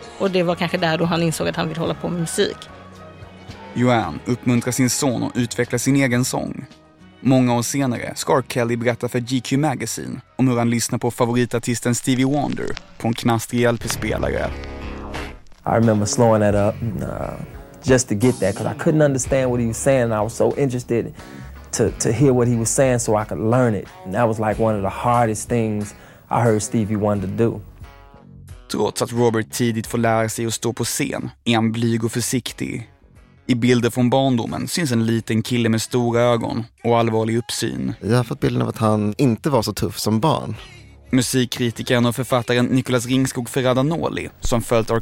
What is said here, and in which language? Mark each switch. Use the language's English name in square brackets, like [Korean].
[Swedish] Och det var kanske där då han insåg att han ville hålla på med musik. Joanne uppmuntrar sin son att utveckla sin egen sång. Många år senare ska R. Kelly berätta för GQ Magazine om hur han lyssnar på favoritartisten Stevie Wonder på en knastrig LP-spelare. [English] I remember slowing that up just to get that because I couldn't understand what he was saying. I was so interested to hear what he was saying so I could learn it. And that was like one of the hardest things I heard Stevie Wonder do. [Swedish] Trots att Robert tidigt får lära sig att stå på scen är han blyg och försiktig. I bilder från barndomen syns en liten kille med stora ögon och allvarlig uppsyn. Jag har fått bilden av att han inte var så tuff som barn. Musikkritikern och författaren Nicolas Ringskog Ferradanoli, som följt R.